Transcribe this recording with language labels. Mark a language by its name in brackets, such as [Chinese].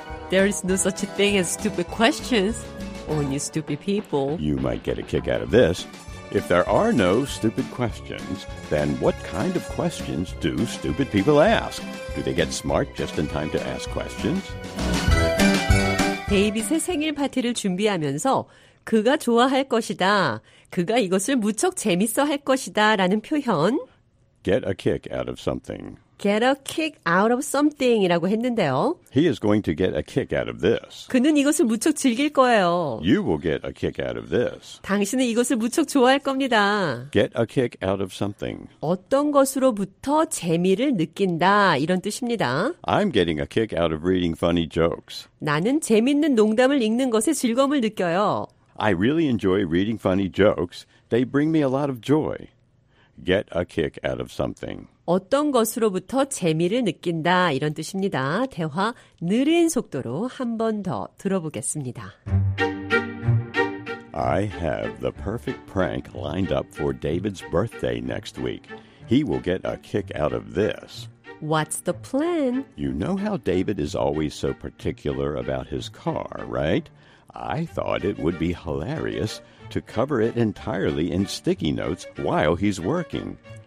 [English] There is no such a thing as stupid questions. Only stupid people. You might get a kick out of this. If there are no stupid questions, then what kind of questions do stupid people ask? Do they get smart just in time to ask questions? [Korean] 데이빗의 생일 파티를 준비하면서 그가 좋아할 것이다, 그가 이것을 무척 재밌어 할 것이다 라는 표현 [English] Get a kick out of something. Get a kick out of something [Korean] 이라고 했는데요. [English] He is going to get a kick out of this. [Korean] 그는 이것을 무척 즐길 거예요. [English] You will get a kick out of this. [Korean] 당신은 이것을 무척 좋아할 겁니다. [English] Get a kick out of something. [Korean] 어떤 것으로부터 재미를 느낀다 이런 뜻입니다. [English] I'm getting a kick out of reading funny jokes. [Korean] 나는 재밌는 농담을 읽는 것에 즐거움을 느껴요. [English] I really enjoy reading funny jokes. They bring me a lot of joy. Get a kick out of something. [Korean] 어떤 것으로부터 재미를 느낀다 이런 뜻입니다. 대화 느린 속도로 한 번 더 들어보겠습니다. [English] I have the perfect prank lined up for David's birthday next week. He will get a kick out of this. What's the plan? You know how David is always so particular about his car, right? I thought it would be hilarious to cover it entirely in sticky notes while he's working.